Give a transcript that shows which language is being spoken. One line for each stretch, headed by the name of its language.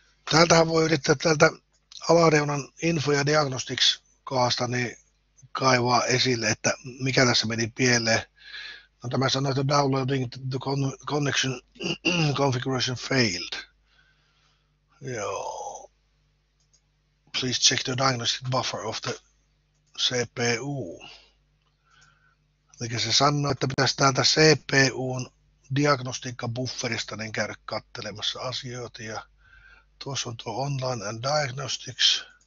Finnish: Täältähän voi yrittää täältä alareunan info- ja diagnostics-kohdasta, niin kaivaa esille, että mikä tässä meni pieleen. No, tämä sanoi, että
English: downloading the connection configuration failed.
Finnish: Joo.
English: Please check the diagnostic buffer of the CPU.
Finnish: Eli se sanoi, että pitäisi täältä CPUn diagnostiikkabufferista niin käydä katselemassa asioita. Ja tuossa on tuo online and diagnostics.